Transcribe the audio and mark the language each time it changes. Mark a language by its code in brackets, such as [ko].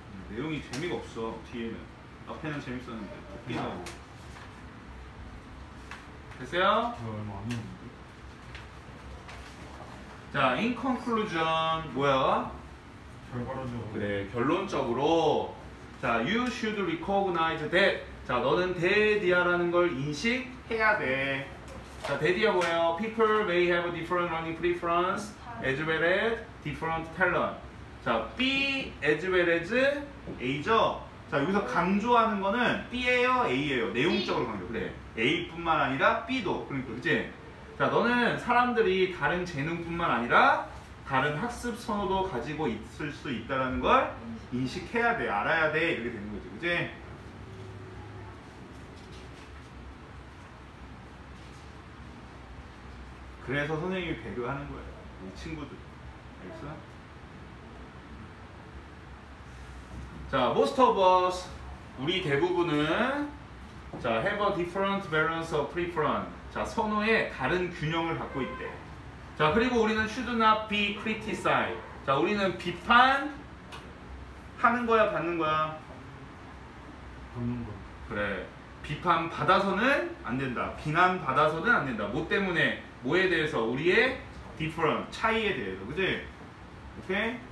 [ko] 내용이 재미가 없어. 뒤에는 앞에는 재밌었는데 뒤에는 됐어요? 저 얼마 안 했는데. 자, [en] in conclusion [ko] 뭐야? 결과론적으로. 그래, 결론적으로. [en] 자, you should recognize that. [ko] 자, 너는 데디아라는 걸 인식해야 돼. 자, 데디아 뭐예요? [en] People may have different learning preference as well as different talent. [ko] 자, be as well as A죠? 자, 여기서 강조하는 거는 B예요, A예요. 내용적으로 강조. 그래. A뿐만 아니라 B도. 그러니까, 그치? 자, 너는 사람들이 다른 재능뿐만 아니라 다른 학습 선호도 가지고 있을 수 있다는 걸 인식해야 돼, 알아야 돼. 이렇게 되는 거지, 그치? 그래서 선생님이 배려하는 거야, 이 친구들. 알겠어? [en] 자, most of us, [ko] 우리 대부분은, [en] 자, have a different balance of preference. [ko] 자, 선호에 다른 균형을 갖고 있대. 자, 그리고 우리는 [en] should not be criticized. [ko] 자, 우리는 비판 하는 거야, 받는 거야? 받는 거. 그래. 비판 받아서는 안 된다. 비난 받아서는 안 된다. 뭐 때문에, 뭐에 대해서, 우리의 different, 차이에 대해서. 그지? 오케이?